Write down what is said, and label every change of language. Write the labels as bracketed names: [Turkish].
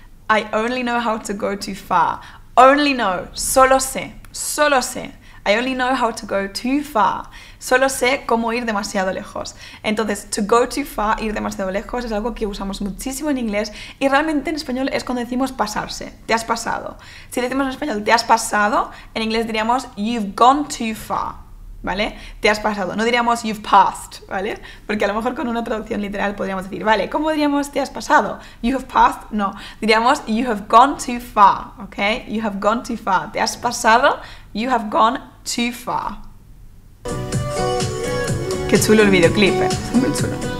[English] I only know how to go too far. Only know, solo sé, solo sé. I only know how to go too far. [Spanish] Solo sé cómo ir demasiado lejos. Entonces, to go too far, ir demasiado lejos, es algo que usamos muchísimo en inglés y realmente en español es cuando decimos pasarse, te has pasado. Si decimos en español te has pasado, en inglés diríamos you've gone too far. ¿vale? Te has pasado. No diríamos you've passed, ¿vale? Porque a lo mejor con una traducción literal podríamos decir, vale, ¿cómo diríamos te has pasado? You have passed, no. Diríamos you have gone too far, ¿ok? [English] You have gone too far. Te has pasado, you have gone too far. [Spanish] Qué chulo el videoclip, ¿eh? Muy chulo.